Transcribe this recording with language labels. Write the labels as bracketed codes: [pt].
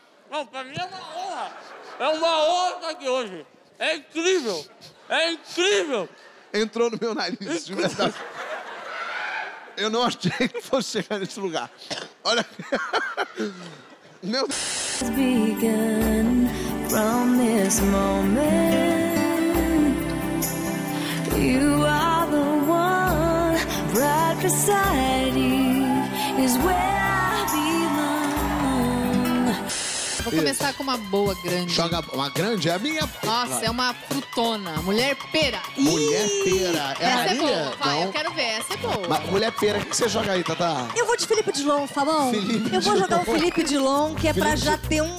[pt] Não, pra mim é uma honra. É uma honra estar aqui hoje. É incrível. É incrível. Entrou no meu nariz. Incrível. Eu não achei que fosse chegar nesse lugar. Olha. Meu Deus. [en] From this moment, you are the one right beside you, is where I belong. [pt] Vou começar com uma boa grande. Joga uma grande? É a minha. Nossa, é uma frutona. Mulher pera. Mulher pera. Essa é boa. Vai, eu quero ver. Essa é boa. Mas mulher pera, o que você joga aí, Tata? Eu vou de Felipe Dilon, tá bom? Felipe eu vou jogar o Felipe Dilon, que é pra já ter um...